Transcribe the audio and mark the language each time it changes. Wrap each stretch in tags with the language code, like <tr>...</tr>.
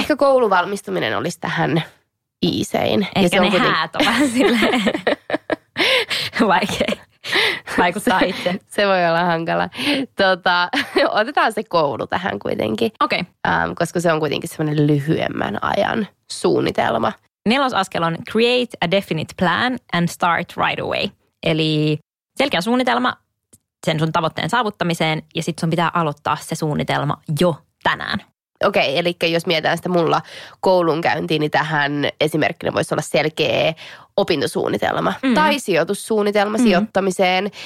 <fi>Ehkä kouluvalmistuminen olisi tähän iisein. Ehkä ja se ne on kuten... häät on vähän silleen vaikea vaikuttaa itse. Se voi olla hankala. Otetaan se koulu tähän kuitenkin. Okei.</fi> <en>Okay.</en> <fi>Koska se on kuitenkin semmoinen lyhyemmän ajan suunnitelma. Nelos askel on</fi> <en>create a definite plan and start right away.</en> <fi>Eli selkeä suunnitelma sen sun tavoitteen saavuttamiseen ja sitten sun pitää aloittaa se suunnitelma jo tänään. Okei, eli jos mietitään sitä mulla koulunkäyntiin, niin tähän esimerkkinä voisi olla selkeä opintosuunnitelma tai sijoitussuunnitelma sijoittamiseen.</fi>